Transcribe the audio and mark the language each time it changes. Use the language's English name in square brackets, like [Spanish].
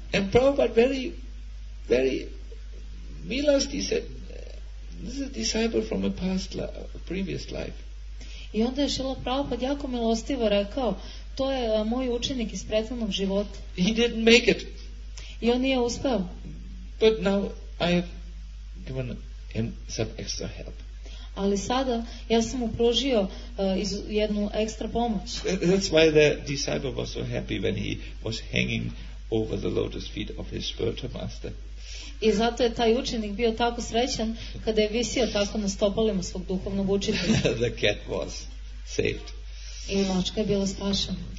[English] And Prabhupada very, very [Serbian] milosti [English] said, this is a disciple from a past previous life. [Serbian] I onda je Šila Prabhupada jako milostivo rekao, to je moj učenik iz prethodnog života. [English] He didn't make it. [Serbian] I on nije uspeo. [English] But now I have given him some extra help. [Serbian] Ali sada ja sam mu pružio jednu ekstra pomoć. [English] That's why the disciple was so happy when he was hanging over the lotus feet of his spiritual master. [Serbian] I zato je taj učenik bio tako srećan kada je visio tako na stopalima svog duhovnog učitelja. [English] The cat was saved. [Serbian] I mačka je bila spašena.